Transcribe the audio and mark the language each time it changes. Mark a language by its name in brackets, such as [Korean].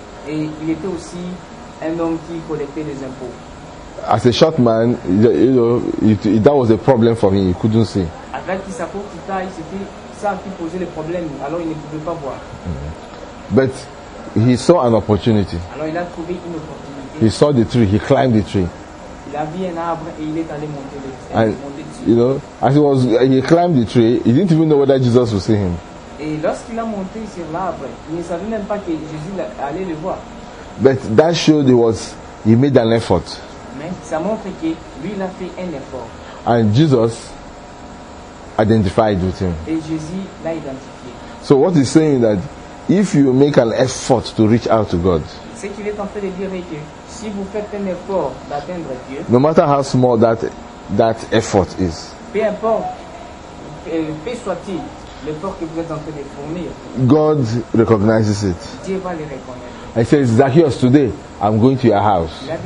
[French] Et il était aussi un homme qui collectait les impôts. [English] As a short man, you know, that was a problem for him. He couldn't see. [French] Avec sa courte taille, c'était ça qui posait les problèmes. Alors il ne pouvait pas voir. [English] But he saw an opportunity. [French] Alors il a trouvé une opportunité. [English] He saw the tree. He climbed the tree. [French] Il a vu un arbre et il est allé monter le. [English] And you know, as he was, he climbed the tree. He didn't even know whether Jesus would see him. [French] Et lorsqu'il a monté sur l'arbre, il ne savait même pas que Jésus allait le voir. [English] But that showed he made an effort. [French] Mais ça montre que lui il a fait un effort. [English] And Jesus identified with him. [French] Et Jésus l'a identifié. [English] So what he's saying is that if you make an effort to reach out to God, [French] ce qu'il est en train de dire est que si vous faites un effort d'atteindre Dieu, [English] no matter how small that effort is, [French] peu importe, peu soit-il l'effort que vous êtes en train de fournir, [English] God recognizes it. [French] Dieu va le reconnaître. [English] I said, Zacchaeus, today I'm going to your house.